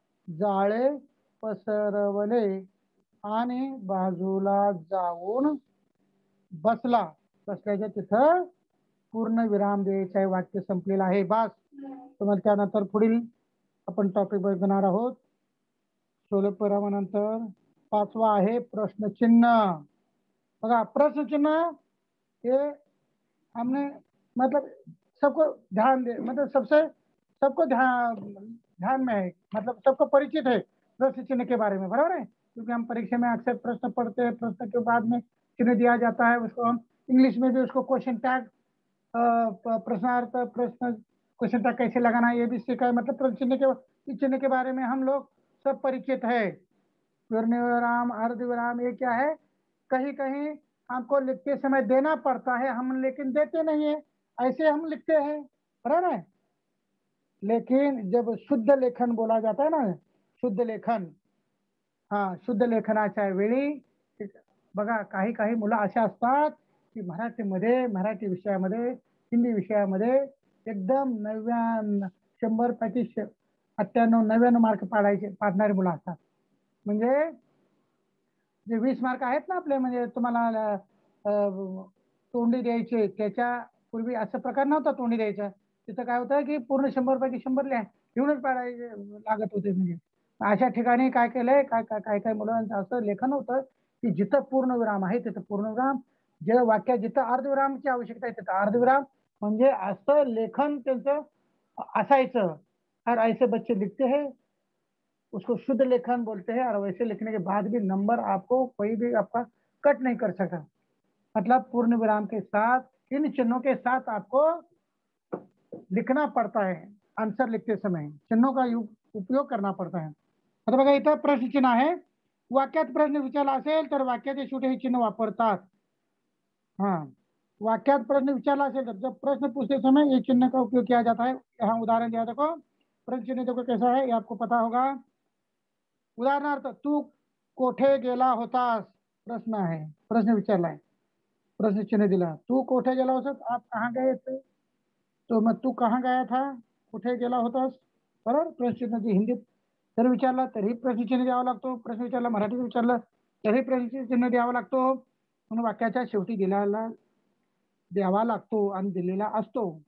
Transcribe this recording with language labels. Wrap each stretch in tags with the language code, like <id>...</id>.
<mr>जाळे पसरवले आणि बाजूला जाऊन बसला. बसल्याच्या तिथं पूर्ण विराम द्यायचा, वाक्य संपलेलं आहे. बस, तुम्हाला त्यानंतर पुढील आपण टॉपिक बघणार आहोत. स्वल्पविरामानंतर 5वा आहे प्रश्नचिन्ह. बघा, प्रश्नचिन्ह हे</mr> <hi>हमने मतलब सबको ध्यान दे, मतलब सबसे सबको ध्यान में है, मतलब सबको परिचित है प्रश्न चिन्ह के बारे में, बराबर है. क्योंकि हम परीक्षा में अक्सर प्रश्न पढ़ते हैं, प्रश्न के बाद में चिन्ह दिया जाता है, उसको हम इंग्लिश में भी उसको क्वेश्चन टैग प्रश्नार्थ प्रश्न क्वेश्चन प्रश्न कैसे लगाना है ये भी सीखा है। मतलब प्रश्न चिन्ह के, चिन्ह के बारे में हम लोग सब परिचित है, पूर्ण विराम अर्ध विराम ये क्या है। कहीं कहीं हमको लिखते समय देना पड़ता है, हम लेकिन देते नहीं है, ऐसे हम लिखते हैं बराबर है। लेकिन जब शुद्ध लेखन बोला जाता है ना, शुद्ध लेखन, हाँ शुद्ध लेखन</hi> <mr>आचार्य वेळी बघा, काही काही मुलं असे असतात की मराठीमध्ये, मराठी विषयामध्ये, हिंदी विषयामध्ये एकदम 100 पैकी 98 मार्क पाडायचे, पाडणारे मुलं असतात। म्हणजे जे 20 मार्क आहेत ना आपले, म्हणजे तुम्हाला तोंडी द्यायचे, त्याच्या पूर्वी असं प्रकार नव्हता तोंडी द्यायचं, तिथं काय होतं की पूर्ण 100 पैकी 100 लिहा येऊनच पाडायचे लागत होते। म्हणजे अशा ठिकाणी काय केलंय, काय काय काय काय मुलांचं असं लेखन होतं की जिथं पूर्ण विराम आहे तिथं पूर्ण विराम, जे वाक्य जिथं अर्धविरामची आवश्यकता आहे तिथं अर्धविराम, म्हणजे असं लेखन त्यांचं असायचं।</mr> <hi>और ऐसे बच्चे लिखते हैं उसको शुद्ध लेखन बोलते हैं, और वैसे लिखने के बाद भी नंबर आपको कोई भी आपका कट नहीं कर सका, मतलब पूर्ण विराम के साथ इन चिन्हों के साथ आपको लिखना पड़ता है, आंसर लिखते समय चिन्हों का उपयोग करना पड़ता है। मतलब इतना प्रश्न चिन्ह है,</hi> <mr>वाक्यात प्रश्न विचारला असेल तर वाक्याचे छोटे हे चिन्ह वापरतात। हाँ वाक्यात प्रश्न विचारला असेल तर</mr> <hi>जब प्रश्न पूछते समय ये चिन्ह का उपयोग किया जाता है। यहाँ उदाहरण दिया, देखो प्रश्न चिन्ह देखो कैसा है, ये आपको पता होगा।</hi> <mr>उदाहरणार्थ तू कोठे गेला होतास, प्रश्न है, प्रश्न विचारला है, प्रश्न चिन्ह दिला, तू कोठे गेला होतास,</mr> <hi>आप कहाँ गए थे, तो मैं तू कहाँ गया था,</hi> <mr>कुठे गेला होतास, बरोबर प्रश्न चिन्ह। जी हिंदीत जर विचारला तरी प्रश्न चिन्ह द्यावा लागतो, प्रश्न विचारला मराठीत विचारलं तरी प्रश्न चिन्ह द्यावा लागतो, म्हणून वाक्याच्या शेवटी दिलेला द्यावा लागतो आणि दिलेला असतो।</mr>